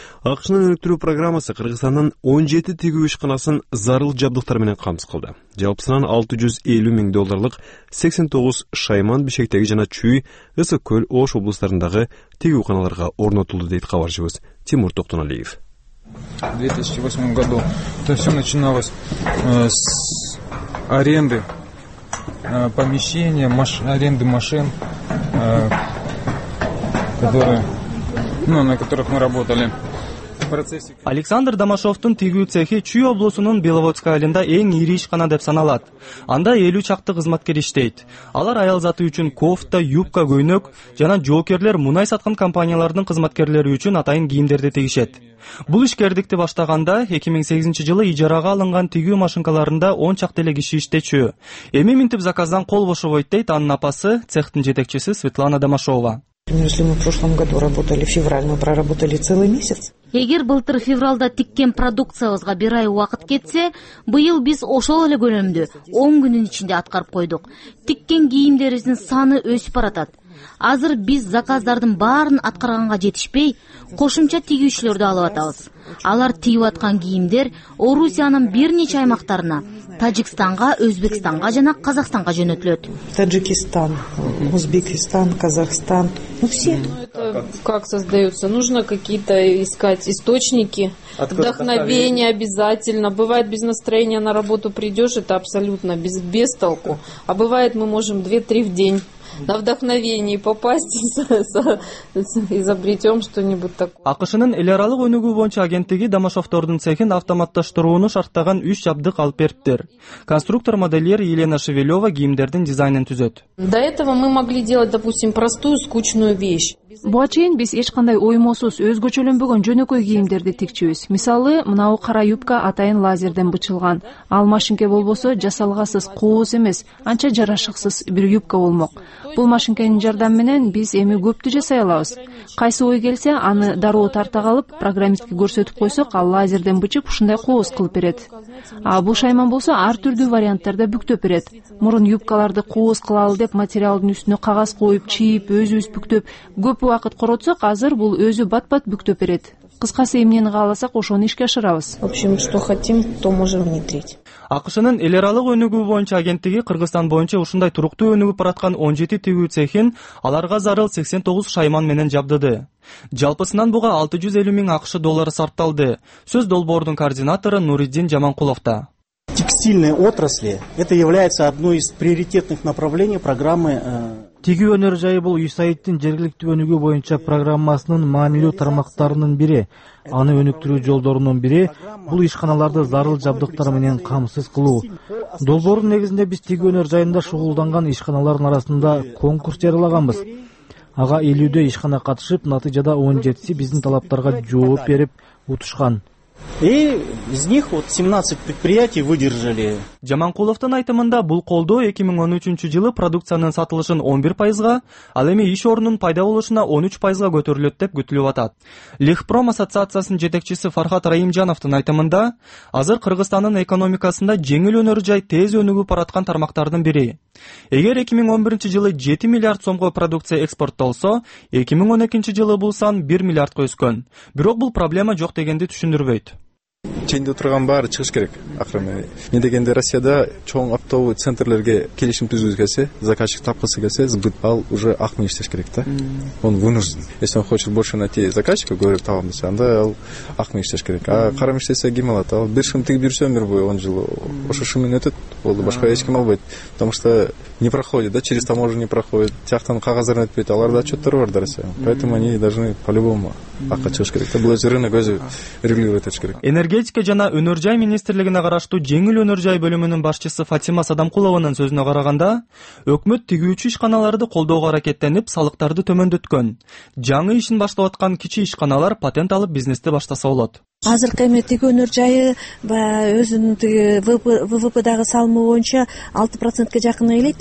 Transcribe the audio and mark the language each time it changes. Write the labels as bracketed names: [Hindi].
[Kyrgyz] АКШнын өнүктүрүү программасы Кыргызстандын 17 тигүү ишканасын зарыл жабдыктар менен камсыз кылды. Жалпысынан 650,000 долларлык 89 шайман Бишкектеги жана Чүй, Ысык Көл, Ош облустарындагы тигүү каналарга орнотулду, дейт кабарчыбыз Тимур Токтоналиев. [Russian] В 2008 году это все начиналось с аренды помещения, аренды машин, которые, ну, на которых мы работали. [Kyrgyz] Александр Домашовтун тигүү цехи Чүй облусунун Беловодск айылында эң ири ишкана деп саналат. Анда 50 чакты кызматкер иштейт. Алар аял заты үчүн кофта, юбка, көйнөк жана жоокерлер мунай саткан компаниялардын кызматкерлери үчүн атайын кийимдерди тигишет. Бул ишкердикти баштаганда 2008 жылы ижарага алынган тигүү машинкаларында 10 чакты эле киши иштечү. Эми минтип заказдан кол бошобойт, дейт анын апасы, цехтин жетекчиси Светлана Домашова. [Russian] Если мы в прошлом году работали, в феврале мы проработали целый месяц. [Kyrgyz] Эгер былтыр февралда тиккен продукциябызга бир ай убакыт кетсе, быйыл биз ошол эле көлөмдү 10 күндүн ичинде аткарып койдук. Тиккен кийимдерибиздин саны өсүп баратат. Азыр биз заказдардын баарын аткарганга жетишпей, кошумча тигүүчүлөрдү алып атабыз. Алар тигип аткан кийимдер Орусиянын бир нече аймактарына, Тажикстанга, Өзбекстанга жана Казакстанга жөнөтүлөт. [Russian] Таджикистан, Узбекистан, Казахстан, ну все. Как создаются? Нужно какие-то искать источники, вдохновение обязательно. Бывает без настроения на работу придешь, это абсолютно без толку. А бывает мы можем 2-3 в день. На вдохновении попасть изобретем что-нибудь такое. [Kyrgyz] АКШ-нын эл аралык өнүгүү боюнча агенттиги Дамашовтордун цехин автоматташтырууну шарттаган 3 жабдык алып бериптир. Конструктор модельер Елена Шевелева кийимдердин дизайнын түзөт. До этого мы могли делать, допустим, простую скучную вещь. Буга чейин биз эч кандай оймосуз, өз көчөлөнбөгөн жөнөкөй кийимдерди тикчүбүз. Мисалы, мына кара юбка атайын лазерден бычылган. Ал машинке болбосо жасалгасыз, кооз эмес, анча жарашыксыз бир юбка болмок. Бул машинкенин жардам менен биз эми көптү жасай алабыз. Кайсы ой келсе, аны дароо тарта калып, программистке көрсөтүп койсок, ал лазерден бычып, ушундай кооз кылып берет. А бул шайман болсо, ар түрдүү варианттарда бүктөп берет. Мурун юбкаларды кооз кылалы деп материалдын үстүнө кагаз коюп, чийип, өзүбүз бүктөп, көп убакыт коротсок, азыр бул өзү бат-бат бүктөп берет. Кыскасы, эмнени кааласак, ошону ишке ашырабыз. [Russian] В общем, что хотим, то можем внедрить. [Kyrgyz] АКШ-нын эл аралык өнүгүү боюнча агенттиги Кыргызстан боюнча ушундай туруктуу өнүгүү бараткан 17 тигүү цехин аларга зарыл 89 шайман менен жабдыды. Жалпысынан буга 650 000 АКШ доллары сарпталды. Сөз долбоордун координатору Нуриддин Жаманкуловта. [Russian] Текстильные отрасли – это является одной из приоритетных направлений программы. [Kyrgyz] Тигүү өнөр жайы бул Исаиттин жергиликтүү өнүгүү боюнча программасынын маанилүү тармактарынын бири. Аны өнүктүрүү жолдорунун бири бул ишканаларды зарыл жабдыктар менен камсыз кылуу. Долбоордун негизинде биз тигүү өнөр жайында шугулданган ишканалардын арасында конкурс жарыялаганбыз. Ага 50 ишкана катышып, натыйжада 17 биздин талаптарга жооп берип утушкан. [Russian] И из них вот 17 предприятий выдержали. [Kyrgyz] Жаманкуловтун айтымында бул колдоо 2013 жылы продукциянын сатылышын 11%, ал эми иш орнунун пайда болушуна 13% көтөрүлөт деп күтүлүп атат. Лихпром ассоциациясынын жетекчиси Фархат Раимжановтун айтымында, азыр Кыргызстандын экономикасында жеңил өнөр жай тез өнүгүп бараткан тармактардын бири. Эгер 2011 жылы 7 миллиард сомго продукция экспортолсо, 2012 жылы бул сан 1 миллиардко өскөн. Бирок бул проблема жок дегенди түшүндүрбөйт. Чейинде отурган баары чыгыш керек акырында. Эмне дегенде Россияда чоң оптовый центрлерге келишим түзүү келсе, заказчик тапкысы келсе, ал уже акмы иштеш керек да. [Russian] Он вынужден. Если он хочет больше найти заказчика, говорит, [Kyrgyz] табам десе, анда ал акмы иштеш керек. А карам иштесе ким алат? Ал бир шым тигип жүрсө өмүр бою 10 жыл. Ошо шымын өтөт, болду, башка эч ким албайт. [Russian] Потому что не проходит, да, через таможню не проходит, [Kyrgyz] тяхтан кагаздарын өтпөйт, аларда отчеттери бар да Россия. [Russian] Поэтому они должны по-любому [Kyrgyz] акка чыгыш керек да. Бул өзү рынок өзү регулировать этиш керек. Энергетика жана өнөр жай министрлигине караштуу жеңил өнөр жай бөлүмүнүн башчысы Фатима Садамкулованын сөзүнө караганда, өкмөт тигүүчү ишканаларды колдоого аракеттенип, салыктарды төмөндөткөн. Жаңы ишин баштап аткан кичи ишканалар патент алып бизнести баштаса болот. Азыркы эми тигүү өнөр жайы өзүнүн тиги ВВПдагы салымы боюнча 6%ге жакын ээлейт.